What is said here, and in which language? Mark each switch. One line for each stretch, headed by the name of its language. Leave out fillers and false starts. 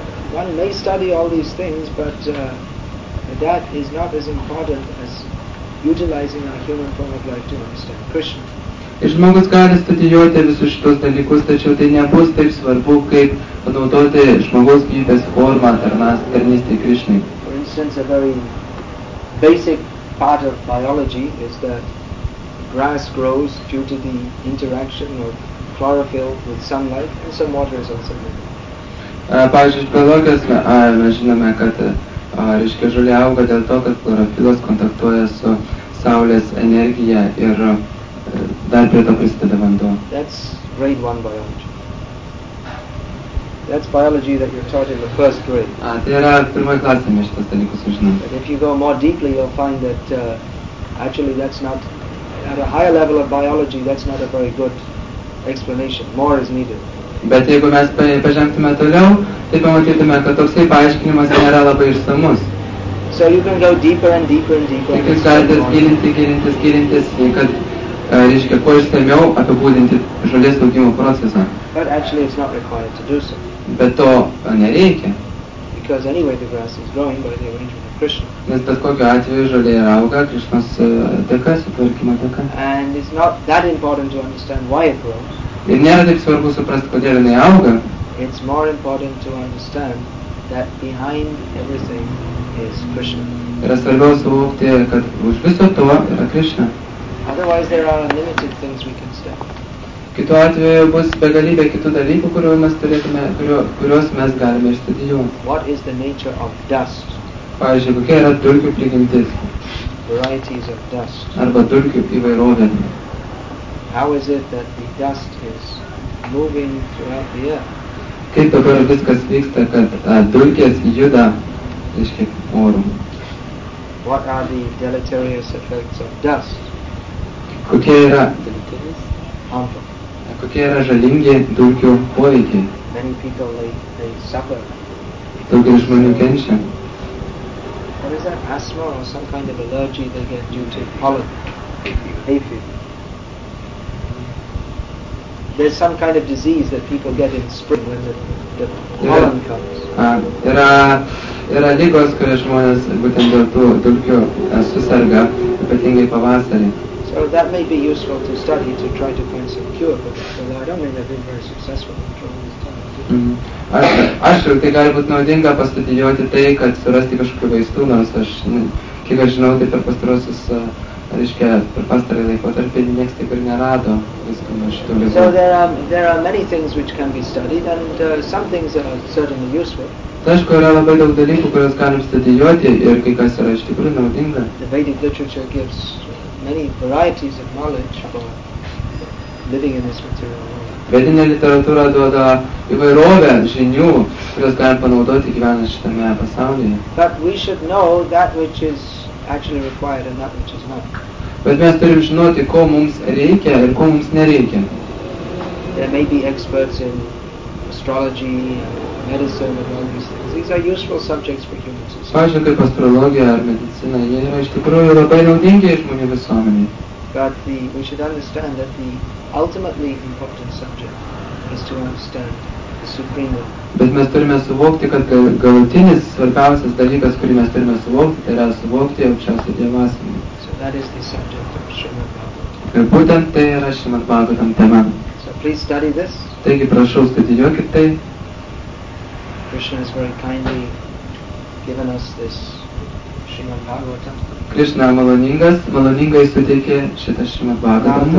English: One may study all these things, but that is not as important as utilizing our human form of life to understand Krishna.
Lithuanian: Ir žmogus gali studijuoti visus šitos dalykus, tačiau tai nebus taip svarbu, kaip panaudoti žmogaus gyvybės formą tarnystei Krišnai.
English: For instance, a very basic part of biology is that grass grows due to the interaction of chlorophyll with sunlight and some water is also needed.
Lithuanian: Pavyzdžiui, biologijos mes žinome, kad reiškia žolė auga dėl to, kad chlorofilas kontaktuoja su saulės energija ir dar prie to prisideda vanduo.
English: That's grade 1 biology. That's biology that you're taught in the first grade.
Lithuanian: Tai yra pirmoje klasėje mes šitas dalykus sužinome.
English: If you go more deeply, you'll find that actually that's not at a higher level of biology, that's not a very good explanation. More is needed.
Lithuanian: Bet jeigu mes pažengtume toliau, tai pamatytume, kad toksai paaiškinimas nėra labai išsamus.
English: So you can go deeper and deeper and deeper.
Lithuanian: Jei galite gilintis, kad reiškia, kuo išsamiau apibūdinti žolės augimo procesą.
English: But actually it's not required to do so.
Lithuanian: Bet to nereikia.
English: Because anyway the grass is growing by the arrangement of Krishna.
Lithuanian: Nes bet kokiu atveju žolė auga Krishnos dėka, sutvarkymo dėka.
English: And it's not that important to understand why it grows.
Lithuanian: Ir nėra taip svarbu suprasti, kodėl jinai auga.
English: It's more important to understand that behind everything is Krishna.
Lithuanian: Yra svarbiau suvokti, kad už viso to yra Krishna.
English: Otherwise there are unlimited things we can study.
Lithuanian: Kitu atveju bus begalybė kitų dalykų, kuriuos mes galime išstudijuoti.
English: What is the nature of dust?
Lithuanian: Pavyzdžiui, kokia yra dulkių prigimtis?
English: Varieties of dust.
Lithuanian: Arba dulkių įvairovė.
English: How is it that the dust is moving throughout the air?
Lithuanian: Kaip dabar viskas vyksta, kad dulkės juda, reiškia, oru?
English: What are the deleterious effects of dust?
Lithuanian: Kokie yra žalingi dulkių poveikiai?
English: Many people, they suffer.
Lithuanian: Daugelis žmonių kenčia.
English: What is that, asthma or some kind of allergy they get due to pollen, hay fever? There's some kind of disease that people get in spring when the pollen comes.
Lithuanian: Yra ligos, kurie žmonės būtent dėl tų dulkių susarga, ypatingai pavasarį.
English: So that may be useful to study to try to find some cure, but I don't think they've been very successful in controlling this time.
Lithuanian: Tai gali būti naudinga pastudijuoti tai, kad surasti kažkokių vaistų, nors aš, kiek aš žinau, tai per pastarosius per pastarąjį laikotarpį niekas taip ir nerado visko nuo šitų lygų.
English: So there are many things which can be studied and some things are certainly useful.
Lithuanian: Aišku, yra labai daug dalykų, kuriuos galim studijuoti ir kai kas yra iš tikrųjų naudinga.
English: The Vedic literature gives many varieties of knowledge for living in this material world.
Lithuanian: Vedinė literatūra duoda įvairovę žinių, kurias galim panaudoti gyvenant šitame pasaulyje.
English: But we should know that which is actually required and that which is not.
Lithuanian: Bet mes turim žinoti, ko mums reikia ir ko mums nereikia.
English: There may be experts in astrology, medicine and all these things. These are useful subjects for human society.
Lithuanian: Pavyzdžiui, kaip astrologija ar medicina, jie yra iš tikrųjų labai naudingi žmonių visuomenėje.
English: But we should understand that the ultimately important subject is to understand the Supreme Lord.
Lithuanian: Bet mes turime suvokti, kad galutinis svarbiausias dalykas, kurį mes turime suvokti, tai yra suvokti aukščiausią dievasmenį.
English: So that is the subject of Srimad Bhagavatam.
Lithuanian: Ir būtent tai yra Srimad Bhagavatam tema.
English: So please study this.
Lithuanian: Taigi prašau, studijuokit tai.
English: Krishna has very kindly given us this Srimad Bhagavatam.
Lithuanian: Krishna maloningas, maloningai suteikė šitą Srimad Bhagavatam.